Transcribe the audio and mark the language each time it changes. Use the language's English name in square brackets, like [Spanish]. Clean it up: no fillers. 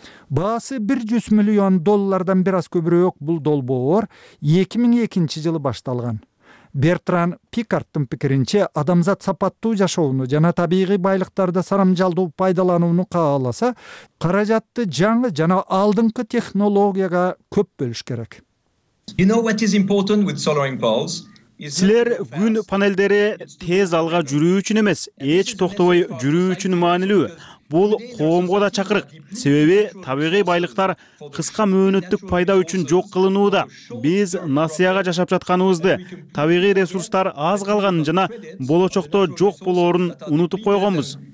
[Kyrgyz] Баасы 100 миллион доллардан бир аз көбүрөөк бул долбоор 2002 жылы башталган. Бертран Пикардтын пикиринче, адамзат сапаттуу жашоону жана табигый байлыктарды сарамжалдуу пайдаланууну кааласа, каражатты жаңы жана алдыңкы технологияга көп бөлүш керек. [English] You know what is important with Solar Impulse? [Kyrgyz] Силер күн панелдери тез алга жүрүү үчүн эмес, эч токтобой жүрүү үчүн маанилүү. бул коомго да чакырык. Себеби табигый байлыктар кыска мөөнөттүк пайда үчүн жок кылынууда. Биз насыяга жашап жатканыбызды, табигый ресурстар аз калганын жана болочокто жок болоорун унутуп койгонбуз.